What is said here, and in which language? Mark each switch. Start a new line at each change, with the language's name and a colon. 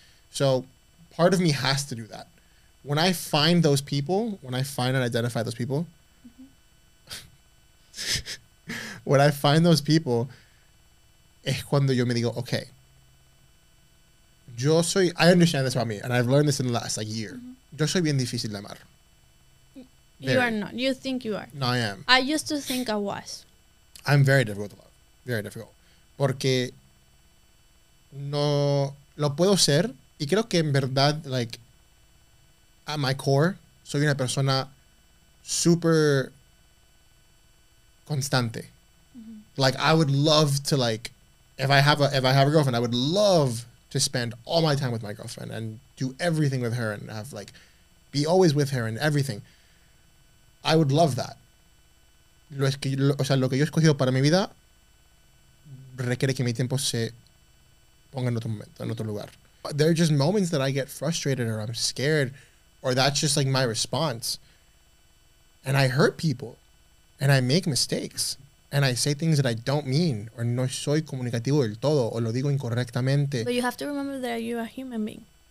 English: So part of me has to do that. When I find those people, when I find and identify those people, mm-hmm. when I find those people,
Spanish: es cuando yo me digo, okay, yo soy,
English: I understand this about me, and I've learned this in the last like year.
Spanish: Mm-hmm. Yo soy bien difícil de amar.
English: You are not. You think you are. No, I am. I used to think I was. I'm very difficult to love. Very difficult.
Spanish: Porque no lo puedo ser, y creo que en verdad,
English: like, at my core,
Spanish: soy una persona super constante. Mm-hmm.
English: Like, I would love to, like, if I have a girlfriend, I would love to spend all my time with my girlfriend and do everything with her and have, like, be always with her and everything. I would love that.
Spanish: O sea, lo que yo he escogido para mi vida requiere que mi tiempo se ponga en otro momento, en otro lugar.
English: There are just moments that I get frustrated or I'm scared, or that's just like my response. And I hurt people and I make mistakes and I say things that I don't mean, or
Spanish: no soy comunicativo del todo, o lo digo incorrectamente.
English: But you have to remember that you're a human being.